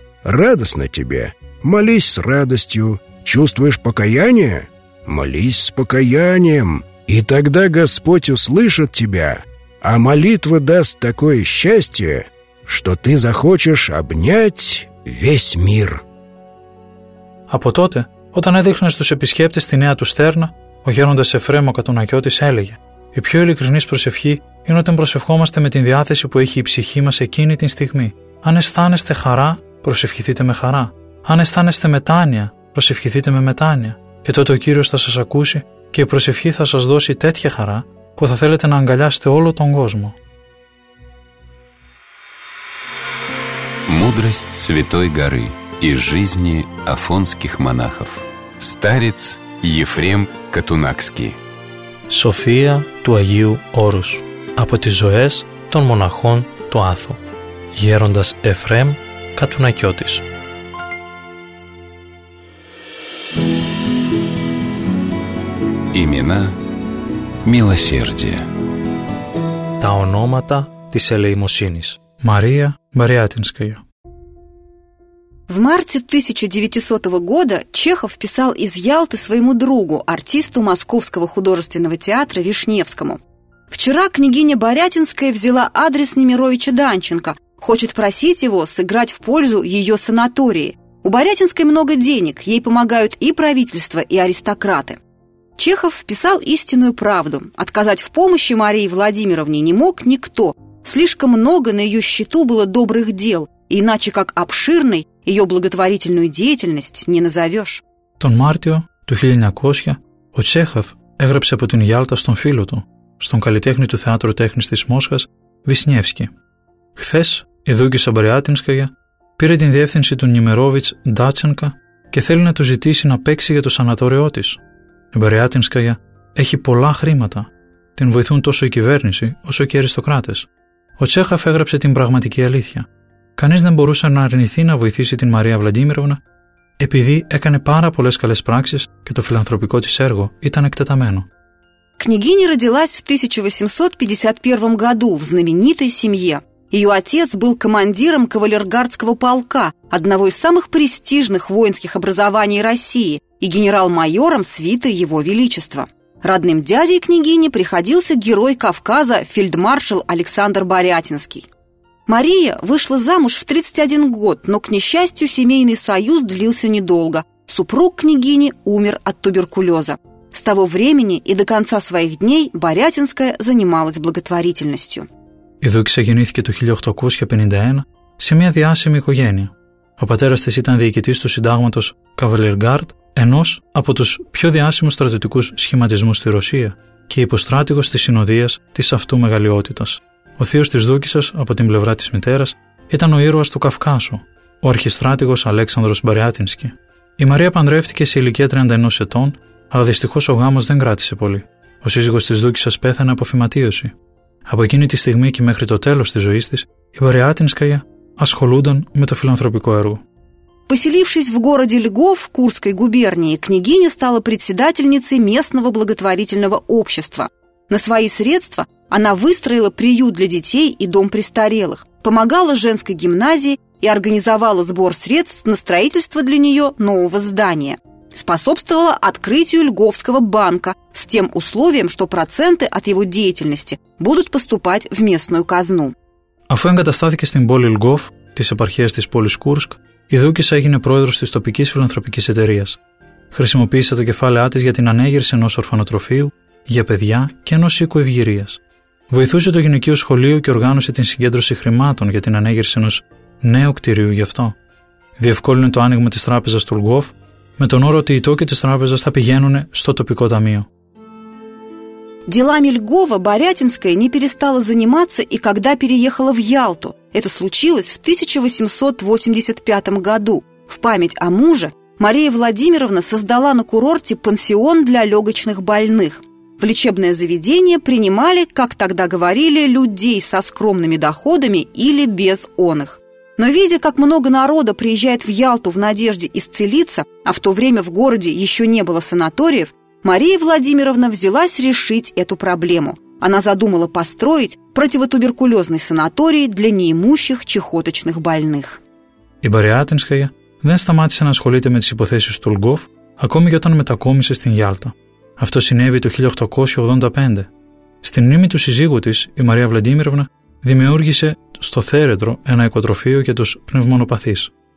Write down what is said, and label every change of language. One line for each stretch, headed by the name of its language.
Russian: Радостно тебе? Молись с радостью. Чувствуешь покаяние? Молись с покаянием, и тогда Господь услышит тебя, а молитва даст такое счастье, что ты захочешь обнять весь мир».
Greek: Από τότε, όταν έδειχνε στους επισκέπτες τη νέα του στέρνα, ο γέροντας Εφραίμ ο Κατουνακιώτης έλεγε: «Η πιο ειλικρινής προσευχή είναι όταν προσευχόμαστε με την διάθεση που έχει η ψυχή μας εκείνη την στιγμή. Αν αισθάνεστε χαρά, προσευχηθείτε με χαρά. Αν αισθάνεστε μετάνοια, προσευχηθείτε με μετάνοια. Και τότε ο Κύριος θα σας ακούσει και η προσευχή θα σας δώσει τέτοια χαρά που θα θέλετε να αγκαλιάσετε όλο τον κόσμο».
Russian: Мудрость Святой Горы из жизни афонских монахов. Старец Ефрем Катунакский.
Greek: София του Αγίου Όρους. Από τις ζωές των μοναχών του Άθο. Γέροντας Εφρέμ Κατουνακιώτης.
Russian: Имена милосердия.
Greek: Τα ονόματα της ελεημοσύνης. Μαρία Μαριάτινσκαγιο.
Russian: В марте 1900 года Чехов писал из Ялты своему другу, артисту Московского художественного театра Вишневскому. «Вчера княгиня Борятинская взяла адрес Немировича Данченко, хочет просить его сыграть в пользу ее санатории. У Борятинской много денег, ей помогают и правительство, и аристократы». Чехов писал истинную правду. Отказать в помощи Марии Владимировне не мог никто. Слишком много на ее счету было добрых дел, иначе как обширной ее благотворительную деятельность не назовешь.
Greek: Τον Μάρτιο του 1900 ο Τσέχοφ έγραψε από την Γιάλτα στον φίλο του, στον καλλιτέχνη του Θεάτρου Τέχνης της Μόσχας, Βισνιεύσκη. «Χθες Η Δούγκισσα Μπαριάτινσκαγια πήρε την διεύθυνση του Νιμερόβιτς Ντάτσενκα και θέλει να του ζητήσει να παίξει για το σανατόριό της. Η Μπαριάτινσκαγια έχει πολλά χρήματα. Την βοηθούν τόσο η κυβέρνηση όσο και οι αριστοκράτες. Ο Τσέχαφ έγραψε την πραγματική αλήθεια. Κανείς δεν μπορούσε να αρνηθεί να βοηθήσει την Μαρία Βλαντίμιροβνα επειδή έκανε πάρα πολλές καλές πράξεις και το φιλανθρωπικό της έργο ήταν εκτεταμένο.
Russian: Княгиня родилась в 1851 году в знаменитой семье. Ее отец был командиром кавалергардского полка, одного из самых престижных воинских образований России, и генерал-майором свиты Его Величества. Родным дядей княгини приходился герой Кавказа фельдмаршал Александр Борятинский. Мария вышла замуж в 31 год, но, к несчастью, семейный союз длился недолго. Супруг княгини умер от туберкулеза. С того времени и до конца своих дней Борятинская занималась благотворительностью.
Greek: Η Δούκισσα γεννήθηκε το 1851 σε μια διάσημη οικογένεια. Ο πατέρας της ήταν διοικητής του συντάγματος Cavalier-Guard, ενός από τους πιο διάσημους στρατιωτικούς σχηματισμούς στη Ρωσία και υποστράτηγος της συνοδείας της αυτού μεγαλειότητας. Ο θείος της Δούκισσας, από την πλευρά της μητέρας, ήταν ο ήρωας του Καυκάσου, ο αρχιστράτηγος Αλέξανδρος Μπαριάτινσκι. Η Μαρία παντρεύτηκε σε ηλικία 31 ετών, αλλά δυστυχώς ο γάμος δεν κράτησε πολύ. Ο σύζυγος της Δούκισσας πέθανε από φυματίωση. Από εκείνη τη στιγμή και μέχρι το τέλος της ζωής της, η Μπαριάτινσκαγια ασχολούνταν με το φιλανθρωπικό έργο.
Russian: Поселившись в городе Льгов Курской губернии, княгиня стала председательницей местного благотворительного общества. На свои средства она выстроила приют для детей и дом престарелых, помогала женской гимназии и организовала сбор средств на строительство для нее нового здания. Способствовала открытию Льговского банка с тем условием, что проценты от его деятельности будут поступать в местную казну.
Greek: Αφού εγκαταστάθηκε στην πόλη Льгов, της επαρχίας της πόλης Κούρσκ, η Δούκισσα έγινε πρόεδρος της τοπικής φιλανθρωπικής εταιρείας. Χρησιμοποίησε τα κεφάλαιά της για την ανέγερση ενός ορφανοτροφείου, για παιδιά και ενός οίκου ευγυρίας. Βοηθούσε το γυναικείο σχολείο και οργάνωσε την συγκέντρωση χρημάτων για την ανέγερση ενός νέου κτηρίου γι' αυτό. Διευκόλυνε το άνοιγμα της τράπεζας του Льгов, με τον όρο ότι οι τόκοι της τράπεζας θα πηγαίνουν στο τοπικό ταμείο.
Russian: Делами Льгова Борятинская не перестала заниматься и когда переехала в Ялту. Это случилось в 1885 году. В память о муже Мария Владимировна создала на курорте пансион для легочных больных. В лечебное заведение принимали, как тогда говорили, людей со скромными доходами или без оных. Но видя, как много народа приезжает в Ялту в надежде исцелиться, а в то время в городе еще не было санаториев, Мария Владимировна взялась решить эту проблему. Она задумала построить противотуберкулезный санаторий для неимущих чахоточных больных.
Greek: Η Μπαριάτινσκαγια δεν σταμάτησε να ασχολείται με τις υποθέσεις του Льгов, ακόμη και όταν μετακόμισε στην Ιάλτα. Αυτό συνέβη το 1885. Στην μνήμη του συζύγου της, η Μαρία Βλαντίμιροβνα δημιούργησε στο Θέρετρο ένα οικοτροφείο για τους πνευμονοπαθείς.